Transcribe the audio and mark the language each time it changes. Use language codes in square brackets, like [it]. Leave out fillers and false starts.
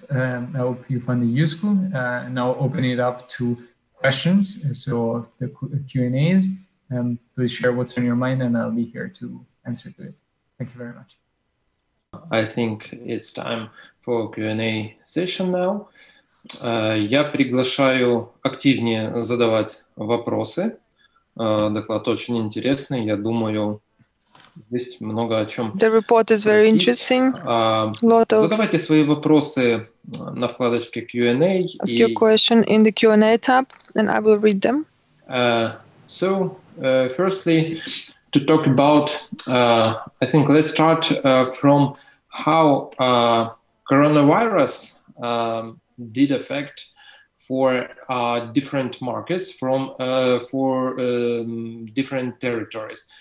[en] I hope you find it useful. And I'll open it up to questions, so the Q&As. Please share what's on your mind, and I'll be here to answer to it. Thank you very much. I think it's time for Q&A session now. [ru] Я приглашаю активнее задавать вопросы. Доклад очень интересный. Я думаю, есть много о чем [en] The report is very [ru] спросить. [en] Interesting. Lot of... [ru] Задавайте свои вопросы на вкладочке Q&A. [en] Ask your question in the Q&A tab, and I will read them. So, firstly, to talk about, I think let's start from how coronavirus did affect for different markets from for different territories.